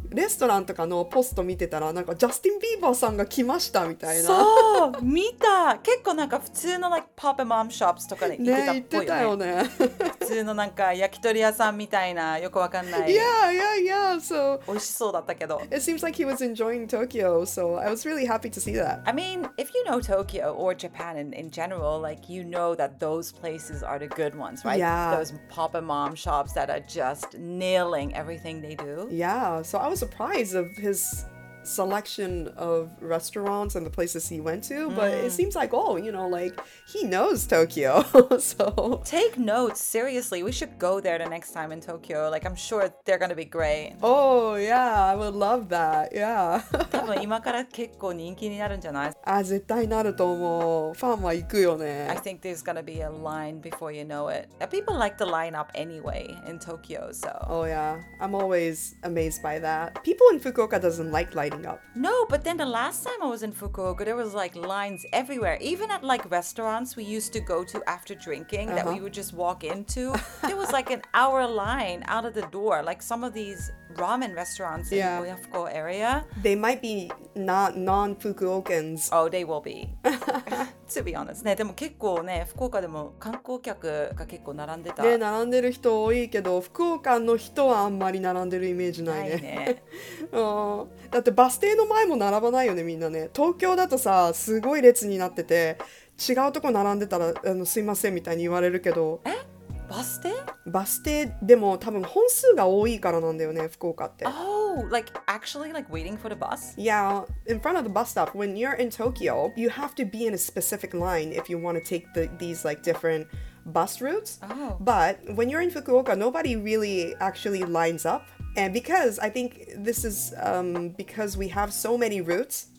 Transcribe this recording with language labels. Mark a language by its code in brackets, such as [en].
[ja] レストランとかのポスト見てたら、なんかジャスティン・ビーバーさんが来ましたみたいな。そう、見た。結構なんか普通の、like、パパマムショップスとかで行ってたっぽいよね。ね、行ってたよね。普通のなんか焼き鳥屋さんみたいな、よくわかんない。 [en] Yeah, yeah, yeah. So, [ja] 美味しそうだったけど。 [en] It seems like he was enjoying Tokyo, so I was really happy to see that. I mean, if you know Tokyo or Japan in general, like you know that those places are the good ones, right? Yeah. Those papa mom shops that are just nailing everything they do. Yeah, so I was surprised of his selection of restaurants and the places he went to, but it seems like, oh, you know, like he knows Tokyo. So take notes, seriously. We should go there the next time in Tokyo. Like, I'm sure they're gonna be great. Oh, yeah, I would love that. Yeah, [ja] 多分今から結構人気になるんじゃない？あ、絶対なると思う。ファンは行くよね。 [en] I think there's gonna be a line before you know it. People like the line up anyway in Tokyo, so. Oh, yeah, I'm always amazed by that. People in Fukuoka doesn't like lighting up. No, but then the last time I was in Fukuoka, there was like lines everywhere. Even at like restaurants we used to go to after drinking, uh-huh. that we would just walk into, there was like an hour line out of the door. Like some of these ramen restaurants in the Oyafuko area. They might be not non-Fukuokans. Oh, they will be. To be honest. [ja] ね、でも結構ね、福岡でも観光客が結構並んでた。ね、並んでる人多いけど、福岡の人はあんまり並んでるイメージないね。ないね。だってバス停の前も並ばないよね、みんなね。東京だとさ、すごい列になってて、違うとこ並んでたら、あの、すいませんみたいに言われるけど。え？バス停？バス停でも多分本数が多いからなんだよね、福岡って。 [en] Oh, like actually like waiting for the bus? Yeah, in front of the bus stop, when you're in Tokyo, you have to be in a specific line if you want to take these like different bus routes. Oh. But when you're in Fukuoka, nobody really actually lines up. And because I think this is because we have so many routes.